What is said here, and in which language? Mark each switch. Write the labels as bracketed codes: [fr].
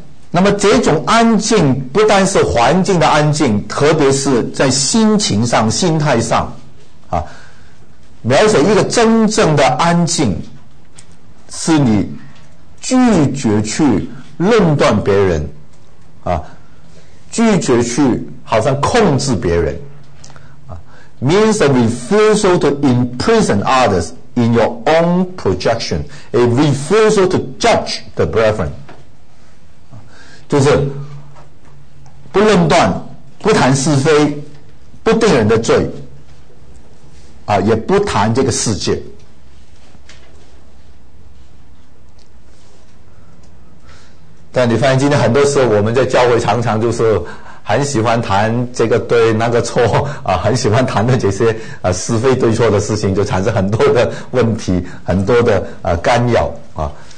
[zh] 那么这种安静不单是环境的安静，特别是在心情上、心态上啊。描写一个真正的安静，是你拒绝去论断别人啊，拒绝去好像控制别人啊。 [en] Means a refusal to imprison others in your own projection, a refusal to judge the brethren。 [zh] 就是不论断，不谈是非，不定人的罪啊，也不谈这个世界。但你发现今天很多时候我们在教会常常就是很喜欢谈这个对那个错啊，很喜欢谈的这些是非对错的事情，就产生很多的问题，很多的干扰啊。